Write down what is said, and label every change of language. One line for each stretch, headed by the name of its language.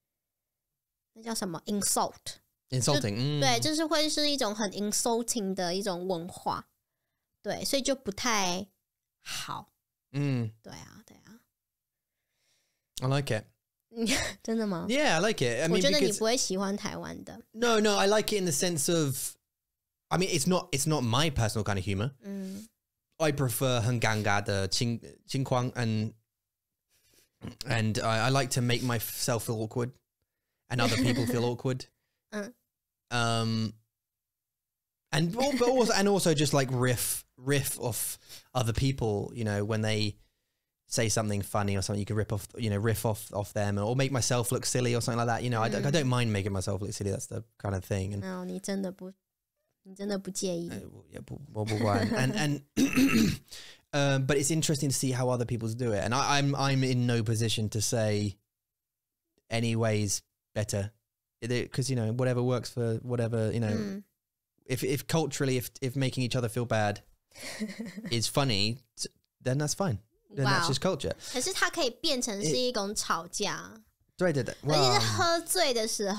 Chinese: 但是如果我把这个东西，把这个文化带进来，你会觉得这是很那叫什么 insult?
English: Insulting.
Chinese: 对，就是会是一种很 insulting 的一种文化。对，所以就不太好。对啊，对啊。
English: I like it.
Chinese: 真的吗?
English: Yeah, I like it. I mean,
Chinese: 我觉得你不会喜欢台湾的。
English: No, I like it in the sense of, I mean, it's not my personal kind of humor. I prefer
Chinese: 很尴尬的情况,
English: and I like to make myself feel awkward, and other people feel awkward. And also just like riff off other people, you know, when they say something funny or something, you can rip off, you know, riff off them, or make myself look silly or something like that. You know, I don't mind making myself look silly. That's the kind of thing. And,
Chinese: no, 你真的不介意.
English: But it's interesting to see how other people do it. And I'm in no position to say any ways better, because, you know, whatever works for whatever, you know, if culturally, if making each other feel bad is funny, then that's fine. Then that's just culture.
Chinese: 可是它可以变成是一种吵架。对对对，而且是喝醉的时候。